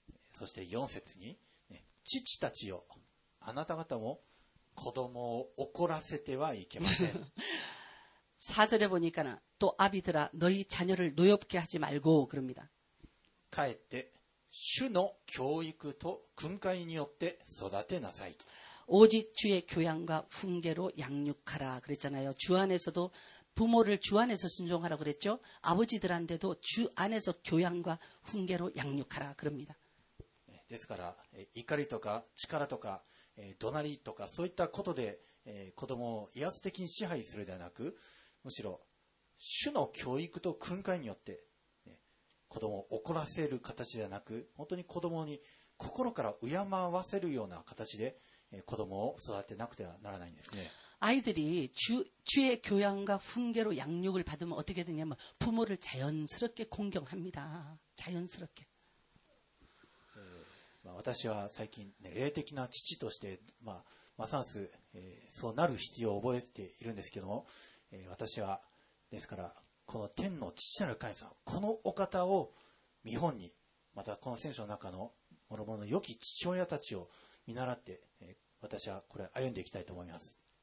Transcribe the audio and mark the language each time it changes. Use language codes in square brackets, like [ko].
[ja] そして4節に、ね、父たちよあなた方も子供を怒らせてはいけません。 [ko] 4절에보니까는또아비들아너희자녀를노엽게하지말고그럽니다。 [ja] かえって主の教育と訓戒によって育てなさい。 [ko] 오직주의교양과훈계로양육하라그랬잖아요。 주안에서도부모를주안에서순종하라그랬죠。 아버지들한테도주안에서교양과훈계로양육하라그럽니다。 [ja] ですから怒りとか力とか怒鳴りとかそういったことで子供を威圧的に支配するではなく、むしろ主の教育と訓戒によって子供を怒らせる形ではなく、本当に子供に心から敬わせるような形で子供を育てなくてはならないんですね。 [ko] 아이들이 주의 교양과 훈계로 양육을 받으면 어떻게 되냐면 부모를 자연스럽게 공경합니다。 자연스럽게。 [ja] 私は最近、ね、霊的な父として、まあ、ますます、そうなる必要を覚えているんですけども、私はですからこの天の父なる神様、このお方を見本に、またこの聖書の中の諸々の良き父親たちを見習って、私はこれ歩んでいきたいと思います。